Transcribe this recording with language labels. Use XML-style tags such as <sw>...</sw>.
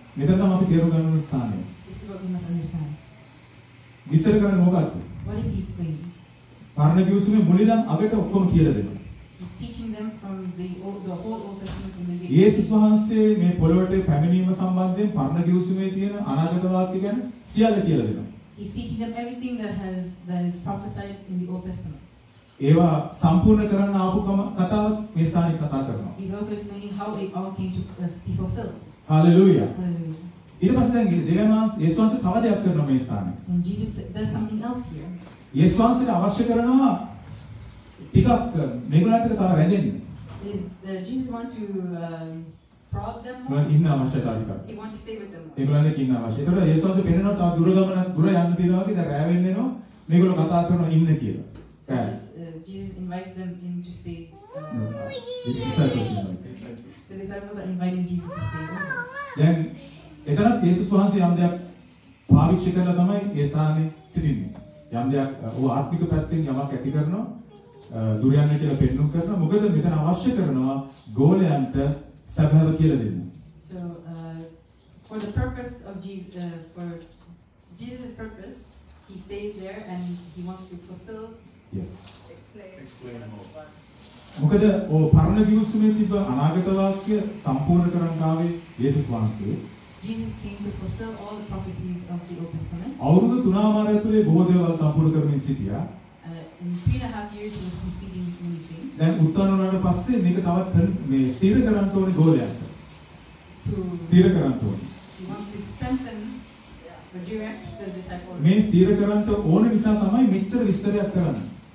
<si>මෙතන තමයි අපි තේරුම් ගන්න ඕන ස්ථානය.</si> <en>This is what we must understand.</en> <si>විස්තර කරන මොකක්ද?</si> <en>What is he explaining?</en> <si>පරණ ගිවිසුමේ මුලින්ම අගට ඔක්කොම කියලා දෙනවා.</si> <en>He's teaching them from the whole Old Testament from the beginning.</en> <si>යේසුස් වහන්සේ මේ පොළොවට පැමිණීම සම්බන්ධයෙන් පරණ ගිවිසුමේ තියෙන අනාගත වාක්‍ය ගැන සියල්ල කියලා දෙනවා.</si> <en>He's teaching them everything that is prophesied in the Old Testament.</en> <si>ඒවා සම්පූර්ණ කරන්න ආපු කතාව මේ ස්ථානයේ කතා කරනවා.</si> <en>He's also explaining how they all came to be fulfilled. Hallelujah. Hallelujah.</en> <si>ඊට පස්සේ දැන් දෙවියන්ස් යේසුස් වහන්සේ තව දෙයක් කරනවා මේ ස්ථානයේ.</si> <en>And Jesus does something else here.</en> <si>යේසුස් වහන්සේට අවශ්‍ය කරනවා ටිකක් මේගොල්ලන්ට තව රැඳෙන්න.</si> <en>Is Jesus want to prod them more?</en> <si>මම ඉන්න අවශ්‍යතාවය ටිකක්.</si> <en>He want to stay with them.</en> <si>මේගොල්ලන්ට ඉන්න අවශ්‍යතාවය. ඒතකොට යේසුස් වහන්සේ පෙන්නනවා තව දුර ගමන දුර යන්න තියෙනවා වගේ දැන් රෑ වෙන්නේනෝ මේගොල්ලෝ කතා කරනවා ඉන්න කියලා.</si> <en>සෑ. Jesus invites them in to stay. The disciples are inviting Jesus to stay.</en> <si>දැන් එතනත් යේසුස් වහන්සේ යම් දෙයක් පාවිච්චි කරලා තමයි ඒ ස්ථානයේ සිටින්නේ. යම් දෙයක් ඌ ආත්මික පැත්තෙන් යමක් ඇති කරනවා දුරයන්ට කියලා පෙන්නුම් කරනවා. මොකද මෙතන අවශ්‍ය කරනවා ගෝලයන්ට සැබව කියලා දෙන්න.</si> <en>So for the purpose of Jesus for Jesus' purpose, he stays there and he wants to fulfill. Yes. Explain more.</en> <si>මොකද ඔය පරණ කිව්සුමේ තිබ්බ අනාගත වාක්‍ය සම්පූර්ණ කරන්න ආවේ යේසුස් වහන්සේ.</si> <en>Jesus came to fulfill all the prophecies of the Old Testament.</en> <si>අවුරුදු 3 වාරය තුලේ බොහෝ දේවල් සම්පූර්ණ කරමින් සිටියා.</si> <en>In 3.5 years he was completing everything.</en> <si>දැන් උත්තරන වලට පස්සේ මේක තවත් මේ ස්ථිර කරන්න ඕනේ ගෝලයන්ට.</si> <en>To</en> <si>ස්ථිර කරන්න ඕනේ.</si> <en>He wants to strengthen the direct the disciples.</en> <si>මේ ස්ථිර කරන්න ඕන නිසා තමයි මෙච්චර විස්තරයක් කරන්නේ.</si>